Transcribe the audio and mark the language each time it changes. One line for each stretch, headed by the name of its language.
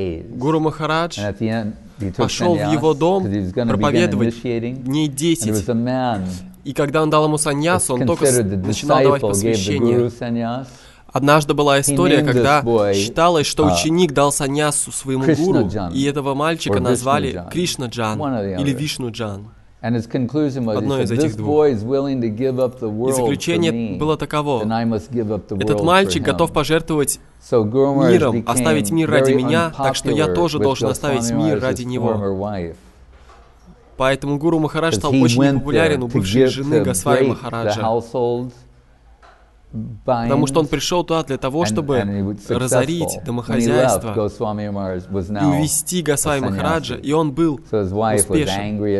Russian: Гуру Махарадж пошел в его дом проповедовать дней 10. И когда он дал ему саньясу, он только начинал давать посвящение. Однажды была история, когда считалось, что ученик дал саньясу своему гуру, и этого мальчика назвали Кришна-джан или Вишну-джан.
English: And his conclusion was, he said, this boy is willing to give up the world for me, and I must give up the world for him.
Russian: И заключение было таково. Этот мальчик готов пожертвовать миром, оставить мир ради меня, так что я тоже должен оставить мир ради него. Поэтому Гуру Махарадж стал очень популярен у бывшей жены Госвами Махараджа. Потому что он пришел туда для того, чтобы разорить домохозяйство и увести Госвами Махараджа, и он был успешен.